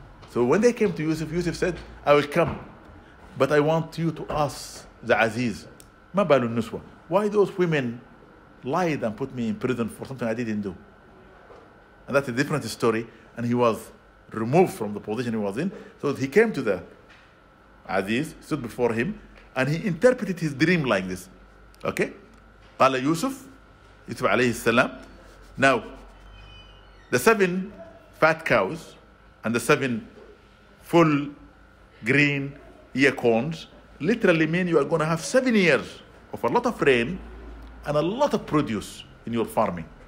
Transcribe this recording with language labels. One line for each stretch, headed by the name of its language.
English: So when they came to Yusuf, Yusuf said, I will come, but I want you to ask the Aziz,
Arabic: ما بال النسوة,
English: why those women lied and put me in prison for something I didn't do? And that's a different story. And he was removed from the position he was in. So he came to the Aziz, stood before him, and he interpreted his dream like this. Okay?
Arabic: قال يوسف, يوسف عليه السلام.
English: Now, the 7 fat cows and the 7 full green ear corns literally mean you are going to have 7 years of a lot of rain and a lot of produce in your farming.